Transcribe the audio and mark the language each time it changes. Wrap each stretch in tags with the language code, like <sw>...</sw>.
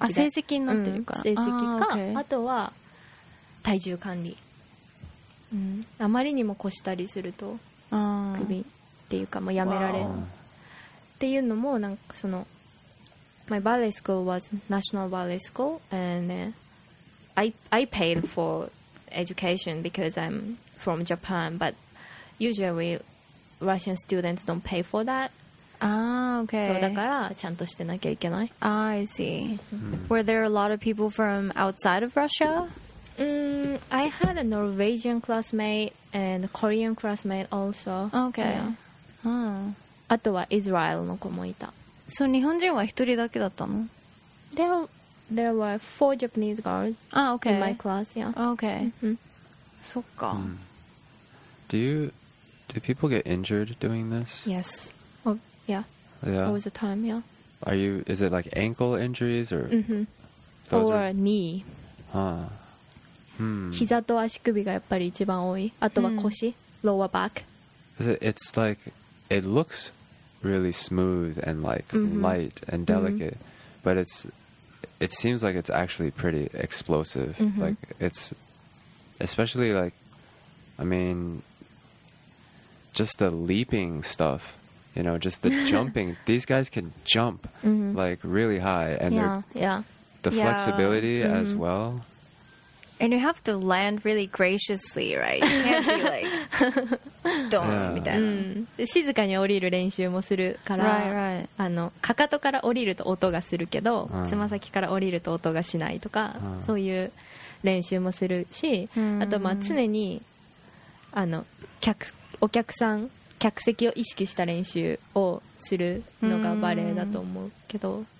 <ja>あ、成績になってるから、うん、成績か、 あとは体重管理、あまりにも越したりするとクビっていうか、もう辞められる、wow. っていうのもなんかその</ja> <en>My ballet school was national ballet school and I paid for education because I'm from Japan, but usually Russian students don't pay for that. Okay.</en> <ja>So, だからちゃんとしてなきゃいけない。</ja> <en>I see. Were there a lot of people from outside of Russia? I had a Norwegian classmate and a Korean classmate also. Okay.</en> <ja>あとはイスラエルの子もいた。そう、日本人は一人だけだったの？</ja> <en>There were four Japanese girls okay. in my class, yeah.</en> <ja>Okay. そっか。</ja> <en>Do people get injured doing this? Yes. Oh, yeah. Yeah. All the time, yeah. Is it like ankle injuries or? Mm-hmm. Or knee. Huh.</en> <ja>膝と足首がやっぱり一番多い。あとは腰、</ja> <en>lower back. It's like, it looks really smooth and like light and delicate, but it seems like it's actually pretty explosive. Like it's, especially like, I mean, just the leaping stuff, you know, just the jumping. These guys can jump like really high and flexibility as well. And you have to land really graciously, right? You can't be like,</en> <ja>ドーンみたいな。静かに降りる練習もするから、あの、かかとから降りると音がするけど、つま先から降りると音がしないとか、そういう練習もするし、あと、まあ、常に、あの、お客さん、客席を意識した練習をするのがバレエだと思うけど。</ja>